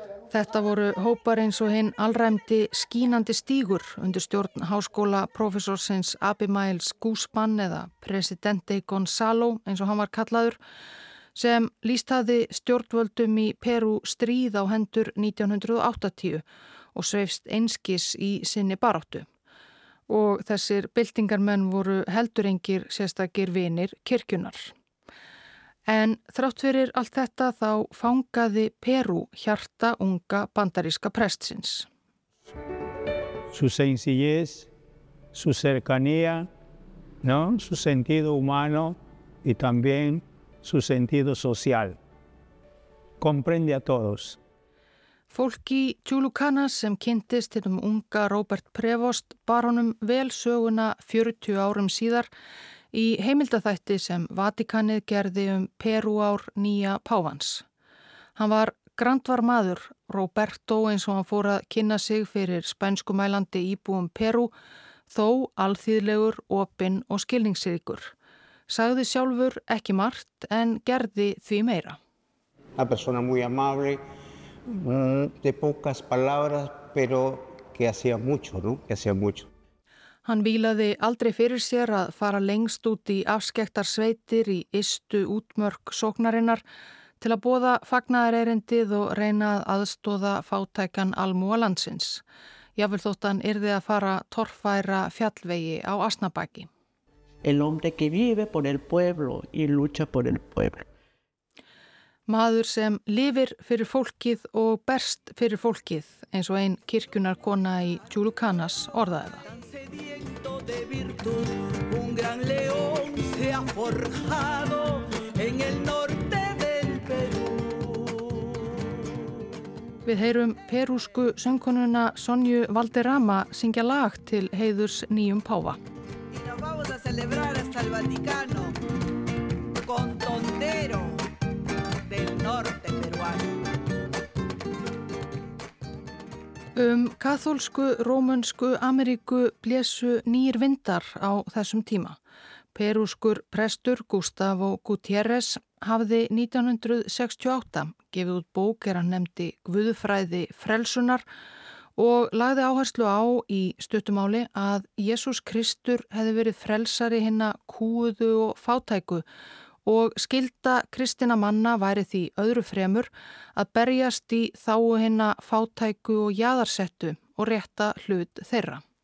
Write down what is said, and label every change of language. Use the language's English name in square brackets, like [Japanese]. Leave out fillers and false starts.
[Icelandic] Þetta voru hópar eins og hinn alræmdi skínandi stígur undir stjórn háskóla professorsins Abimael's Guzman eða Presidente Gonzalo eins og hann var kallaður sem lístaði stjórnvöldum í Perú stríð á hendur 1980 og sveifst einskis í sinni baráttu. Og þessir byltingarmenn voru heldur engir sérstakir vinir kirkjunar. En þrátt fyrir allt þetta þá fangaði Perú hjarta unga bandaríska prestsins. [Spanish] Su sencillez, su cercanía, ¿no? Su sentido humano y también su sentido social. Comprende a todos. [Icelandic] Fólk í Tjúlukana sem kynntist hinum unga Robert Prevost bar honum vel söguna 40 árum síðar í heimildaþætti sem Vatikanið gerði Perúár nýja Pávans. Hann var grandvar maður, Roberto eins og hann fór að kynna sig fyrir spænskumælandi íbúum Perú, þó alþýðlegur, opinn og skilningsríkur. Sagði sjálfur ekki margt en gerði því meira. [Spanish] Una persona muy amable, de pocas palabras, pero que hacía mucho, ¿no? Que hacía mucho. [Icelandic] Hann vílaði aldrei fyrir sér að fara lengst út í afskektar sveitir í ystu útmörk sóknarinnar til að boða fagnaðarerindið og reyna að aðstoða fátækan almúa landsins. Jafnvel þótt hann yrði að fara torfæra fjallvegi á Asnabaki. [Spanish] El hombre que vive por el pueblo y lucha por el pueblo. [Icelandic] Maður sem lifir fyrir fólkið og berst fyrir fólkið, eins og ein kirkjunar kona í Chulucanas orðaði það. [Spanish] De virtud, un gran león se ha forjado en el norte del Perú. [Icelandic] Við heyrum perúsku söngkonuna Sonju Valderrama syngja lag til heiðurs nýjum páfa. [Spanish] Y nos vamos a celebrar hasta el Vaticano con tondero del norte peruano. [Icelandic] Kaþólsku, rómönsku, Ameríku blésu nýjir vindar á þessum tíma. Perúskur prestur Gustavo Gutiérrez hafði 1968 gefið út bók er hann nefndi Guðfræði frelsunar og lagði áherslu á í stuttumáli að Jesús Kristur hefði verið frelsari hinna kúðu og fátæku og skilda kristina manna væri því öðru fremur að berjast í þágu hinna fátæku og jaðarsettu og rétta hlut þeirra.